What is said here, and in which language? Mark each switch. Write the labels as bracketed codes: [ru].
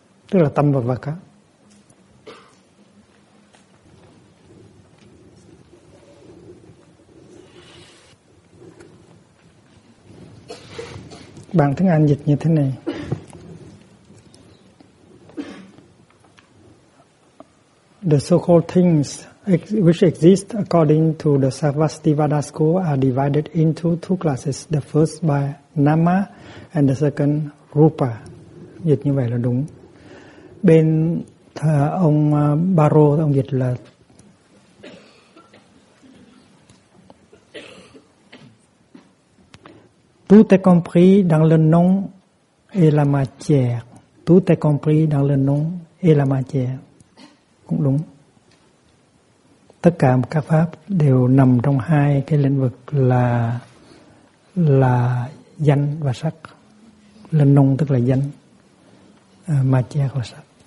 [vi] Tức là tâm và vật á. Bản tiếng Anh dịch như thế này. [en] The so-called things which exist according to the Sarvastivada school are divided into two classes. The first by Nama and the second Rupa. [vi] Dịch như vậy là đúng. Bên ông Baro, ông dịch là [fr] tout est compris dans le nom et la matière. Tout est compris dans le nom et la matière. [vi] Cũng đúng. Tất cả các pháp đều nằm trong hai cái lĩnh vực là danh và sắc. [fr] Le nom [vi] tức là danh, matière là sắc.